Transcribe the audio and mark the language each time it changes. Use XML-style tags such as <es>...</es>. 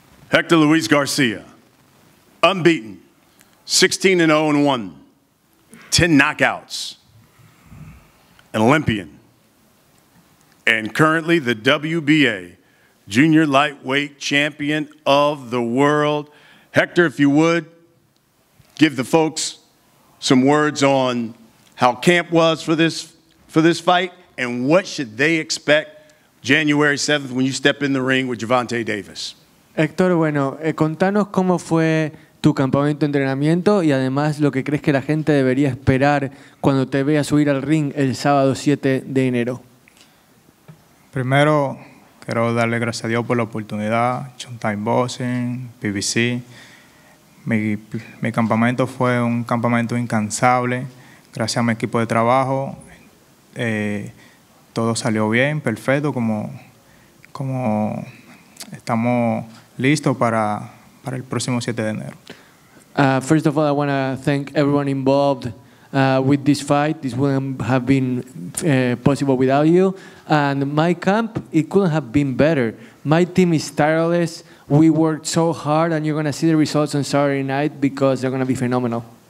<en>Hector Luis Garcia, unbeaten, 16-0-1, 10 knockouts, an Olympian, and currently the WBA Junior Lightweight Champion of the World. Hector, if you would, give the folks some words on how camp was for this fight and what should they expect January 7th when you step in the ring with Gervonta Davis.</en> <es>Hector, bueno, contanos cómo fue tu campamento de entrenamiento y además lo que crees que la gente debería esperar cuando te vea subir al ring el sábado 7 de enero. Primero, quiero darle gracias a Dios por la oportunidad, Showtime Boxing, PBC. Mi campamento fue un campamento incansable. Gracias a mi equipo de trabajo, todo salió bien, perfecto, como estamos listos para el próximo 7 de enero.</es> <en>First of all, I want to thank everyone involved with this fight. This wouldn't have been possible without you. And my camp, it couldn't have been better. My team is tireless. We worked so hard, and you're going to see the results on Saturday night because they're going to be phenomenal.</en>